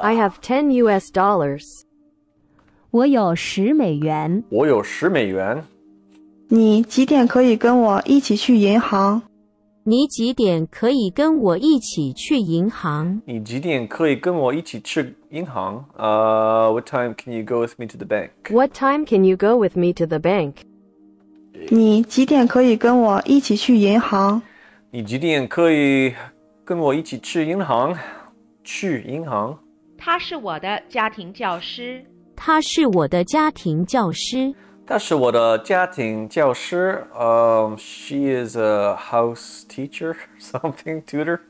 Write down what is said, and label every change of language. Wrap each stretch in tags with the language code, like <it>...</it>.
<en>I have 10 US dollars.</en> <zh>我有十美元。我有十美元。你几点可以跟我一起去银行？你几点可以跟我一起去银行？你几点可以跟我一起去银行？</zh> <en>What time can you go with me to the bank? What time can you go with me to the bank?</en> <zh>你几点可以跟我一起去银行？你几点可以跟我一起去银行？去银行。他是我的家庭教师。他是我的家庭教师。他是我的家庭教师。</zh> <en>She is a house teacher, something tutor.</en>